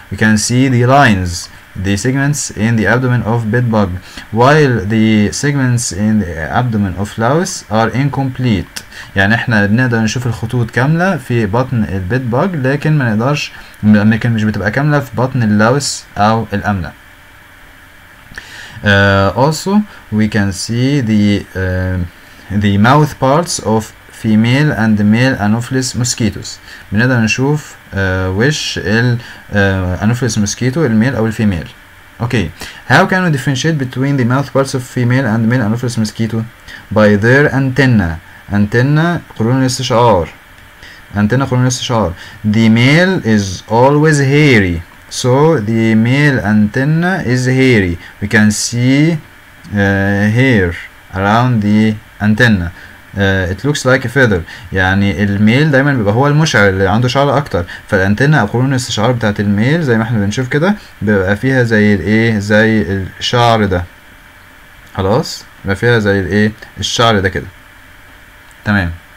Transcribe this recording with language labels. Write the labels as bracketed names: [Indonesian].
[English] We can see the lines, the segments in the abdomen of bed bug, while the segments in the abdomen of louse are incomplete. [Arabic] يعني احنا بنقدر نشوف الخطوط كاملة في بطن البيت بوغ، لكن ما نقدرش، لكن مش بتبقى كاملة في بطن اللاوس او الاملة. [English] Also we can see the mouth parts of female and male anopheles mosquitoes. [Arabic] بنقدر نشوف وش ال anopheles mosquito، الميل او الفيميل. [English] Okay, how can we differentiate between the mouth parts of female and male anopheles mosquito? By their antenna. [Arabic] Antenna قرون الاستشعار. Antenna قرون الاستشعار. [English] The male is always hairy, so the male antenna is hairy. We can see hair around the antenna. It looks like a feather. [Arabic] يعني الميل دايما بيبقى هو المشعر، اللي عنده شعر اكتر، فالانتنة او قرون الاستشعار بتاعت الميل زي ما احنا بنشوف كده بيبقى فيها زي الايه، زي الشعر ده، خلاص بيبقى فيها زي الايه، الشعر ده كده، تمام.